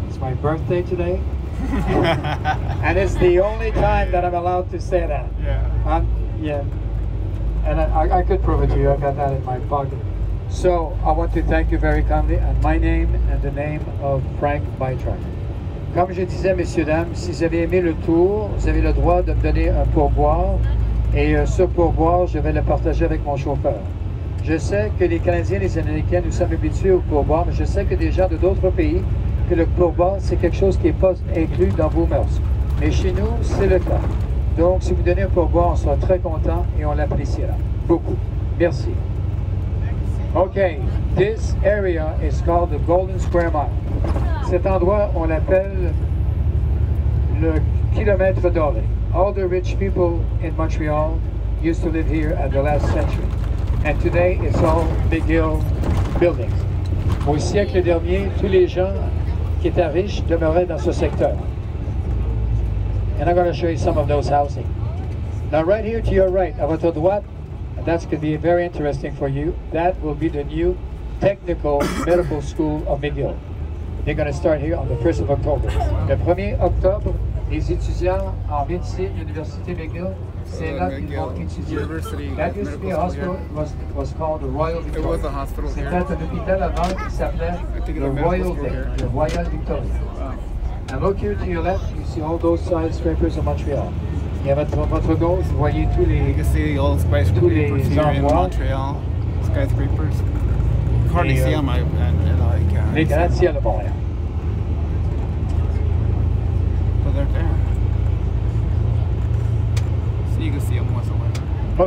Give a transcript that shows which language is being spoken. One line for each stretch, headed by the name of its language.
English: It's my birthday today. And it's the only time that I'm allowed to say that. Yeah. And I could prove it to you. I got that in my pocket. So I want to thank you very kindly and my name and the name of Frank Bytrack.
French: Comme je disais, messieurs, dames, si vous avez aimé le tour, vous avez le droit de me donner un pourboire. Et ce pourboire, je vais le partager avec mon chauffeur. Je sais que les Canadiens et les Américains, nous sommes habitués au pourboire, mais je sais que des gens de d'autres pays, que le pourboire, c'est quelque chose qui n'est pas inclus dans vos mœurs. Mais chez nous, c'est le cas. Donc, si vous donnez un pourboire, on sera très content et on l'appréciera beaucoup. Merci.
English: Okay, this area is called the Golden Square Mile.
French: Cet endroit, on l'appelle le kilomètre doré.
English: All the rich people in Montreal used to live here at the last century. And today, it's all McGill buildings.
French: Au siècle dernier, tous les gens qui étaient riches demeuraient dans ce secteur.
English: And I'm going to show you some of those housing. Now, right here to your right,
French: à votre droite,
English: and that's going to be very interesting for you, that will be the new Technical Medical School of McGill. They're going to start here on the 1st of October.
French: Le 1er octobre, les étudiants en médecine, l'Université McGill, c'est là qu'ils vont étudier.
English: That used to be a hospital, it was called the Royal Victoria. It was a hospital here.
French: C'était un hôpital avant qui s'appelait the Royal Victoria. Wow.
English: And look here to your left, you see all those skyscrapers of Montreal.
French: Et à votre gauche, vous voyez tous les...
English: You can see all the skyscrapers here in Montreal. Skyscrapers. Hardly see them,
French: les gratte-ciels de Montréal.
English: But they're there. So you can see them once away.